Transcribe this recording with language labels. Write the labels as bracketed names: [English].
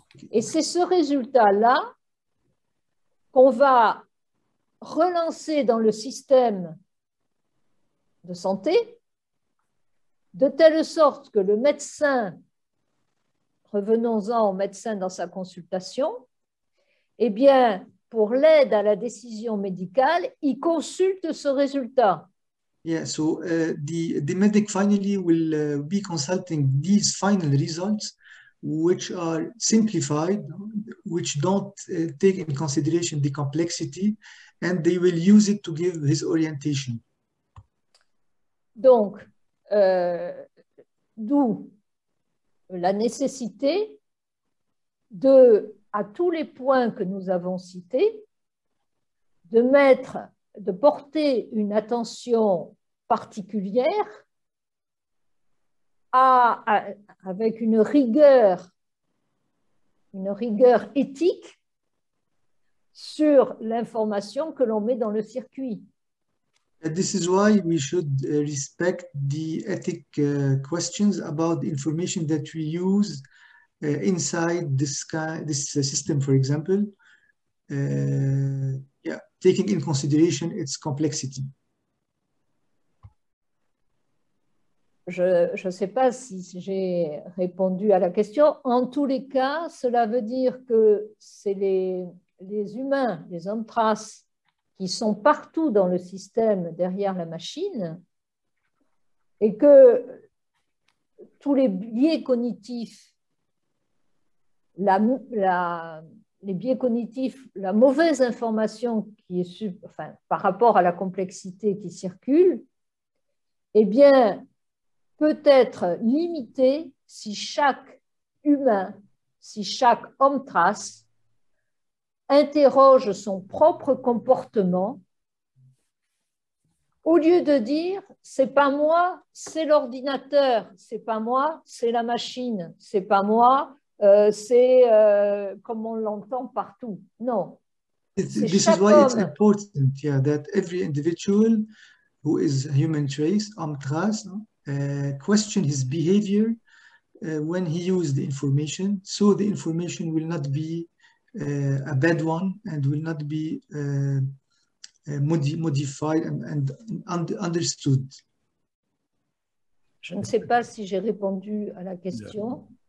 [French] Et c'est ce résultat-là qu'on va relancer dans le système de santé, de telle sorte que le médecin, revenons-en au médecin dans sa consultation, eh bien, pour l'aide à la décision médicale, il consulte ce résultat. [English] Yeah, so the medic finally will be consulting these final results, which are simplified, which don't take in consideration the complexity, and they will use it to give his orientation. [French] Donc, d'où la nécessité de, à tous les points que nous avons cités, de porter une attention particulière avec une rigueur éthique sur l'information que l'on met dans le circuit. [English] And this is why we should respect the ethic questions about the information that we use inside this system, for example, taking in consideration its complexity. [French] Je ne sais pas si j'ai répondu à la question. En tous les cas, cela veut dire que c'est les humains, les hommes traces, qui sont partout dans le système derrière la machine et que tous les biais cognitifs, la mauvaise information qui est par rapport à la complexité qui circule, eh bien, peut être limité si chaque humain, si chaque homme trace interroge son propre comportement au lieu de dire c'est pas moi, c'est l'ordinateur, c'est pas moi, c'est la machine, c'est pas moi, c'est comme on l'entend partout. Non. [English] This is why it's important, yeah, that every individual who is human trace, AmTrace, no, question his behavior when he used the information, so the information will not be a bad one and will not be modified and understood. [French] Je ne sais pas si j'ai répondu à la question.